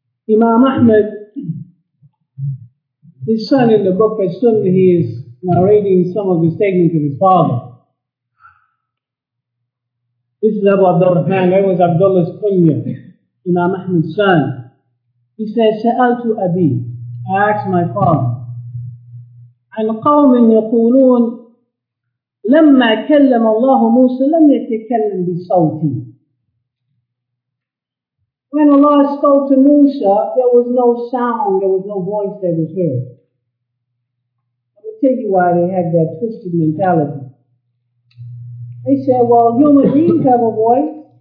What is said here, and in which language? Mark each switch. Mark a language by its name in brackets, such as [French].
[English] Imam Ahmad, his son in the book has said that he is narrating some of the statements of his father. This is Abu Abdullah Khan, that was Abdullah's kunya, Imam Ahmed's son. He says, Sa'altu Abi, I asked my father, [Arabic] عن قوم يقولون لما كلم الله موسى لم يتكلم بصوتي. [English] When Allah spoke to Musa, there was no sound, there was no voice that was heard. tell you why they had that twisted mentality. They said, well, human beings have a voice.